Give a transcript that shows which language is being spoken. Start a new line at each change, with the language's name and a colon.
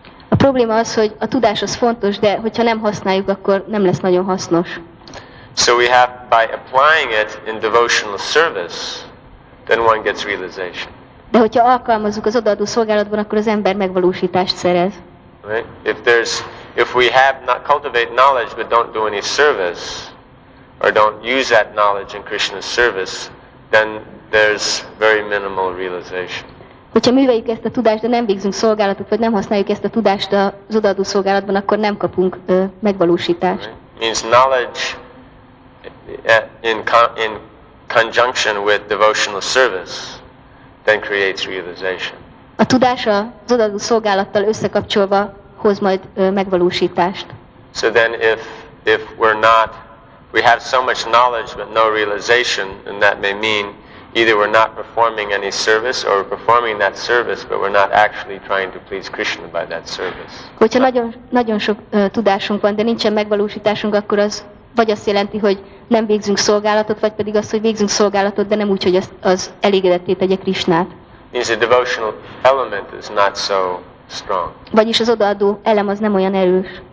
Hungarian: A probléma az, hogy a tudás az fontos, de hogyha nem használjuk, akkor nem lesz nagyon hasznos.
English: So we have, by applying it in devotional service, then one gets realization.
Hungarian: De hogyha alkalmazzuk az odaadó szolgálatban, akkor az ember megvalósítást szerez.
English: Right? If we have not cultivate knowledge, but don't do any service, or don't use that knowledge in Krishna's service, then there's very minimal realization.
Hungarian: Hogyha műveljük ezt a tudást, de nem végzünk szolgálatot, vagy nem használjuk ezt a tudást az odaadó szolgálatban, akkor nem kapunk megvalósítást.
English: Means knowledge in conjunction with devotional service then creates realization.
Hungarian: A tudás az odaadó szolgálattal összekapcsolva hoz majd megvalósítást.
English: So then if we're not, we have so much knowledge but no realization, and that may mean either we're not performing any service or we're performing that service but we're not actually trying to please Krishna by that service.
Hungarian: Hogyha nagyon sok tudásunk van, de nincsen megvalósításunk, akkor az vagy azt jelenti, hogy nem végzünk szolgálatot, vagy pedig azt, hogy végzünk szolgálatot, de nem úgy, hogy az elégedetté tegye Krishnát.
English: Means the devotional element is not so strong.
Hungarian: Vagyis az odaadó elem az nem olyan erős.